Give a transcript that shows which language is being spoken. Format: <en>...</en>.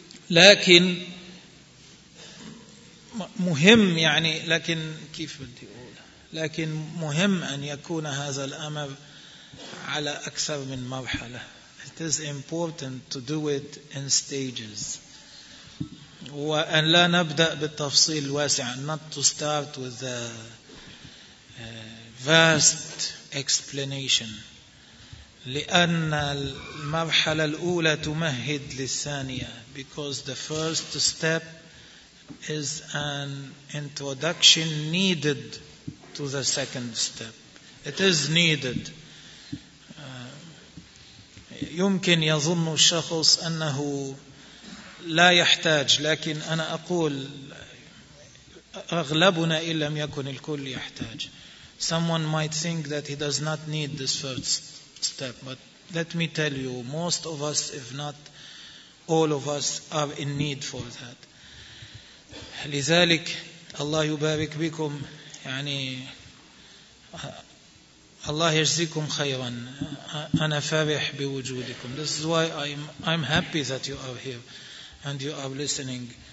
<ar>لكن مهم يعني لكن كيف بدي أقول؟ لكن مهم أن يكون هذا الأمر على أكثر من مرحلة.</ar> <en>It is important to do it in stages.</en> <ar>وأن لا نبدأ بالتفصيل الواسع.</ar> <en>Not to start with the vast explanation.</en> <ar>لأن المرحلة الأولى تمهد للثانية.</ar> <en>Because the first step is an introduction needed to the second step. It is needed.</en> <ar>يمكن يظن الشخص أنه لا يحتاج، لكن أنا أقول أغلبنا إن لم يكن الكل يحتاج.</ar> <en>Someone might think that he does not need this first step, but let me tell you, most of us, if not all of us, are in need for that.</en> <ar>لذلك الله يبارك بكم يعني الله يجزيكم خيرا. أنا فرح بوجودكم.</ar> <en>This is why I'm happy that you are here and you are listening.</en>